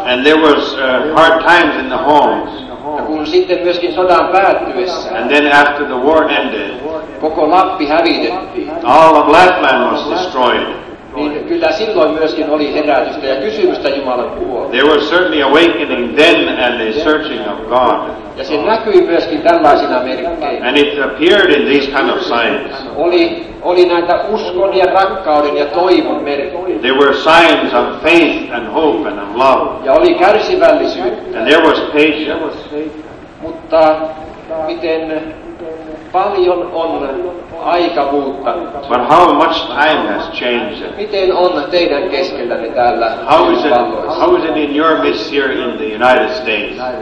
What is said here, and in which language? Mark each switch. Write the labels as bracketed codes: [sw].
[en] And there was hard times in the homes. [fi] Ja kun sitten myöskin sodan päättyessä. [en] And then after the war ended. [fi] Koko Lappi hävitettiin. [en] All of Lapland was destroyed. [fi] Niin kyllä silloin myöskin oli herätystä ja kysymystä Jumalan puolesta. [en] There was certainly awakening then and a searching of God. [fi] Ja se näkyi myöskin tällaisina merkkeinä. [en] And it appeared in these kind of signs. [fi] Oli näitä uskon ja rakkauden ja toivon merkkejä. [en] There were signs of faith and hope and of love. [fi] Ja oli kärsivällisyyttä. [en] And there was patience. [fi] Mutta miten paljon on aika muuttanut. [en] But how much time has changed? [fi] Miten on teidän keskellänne täällä? [en] How is it in your midst here in the United States?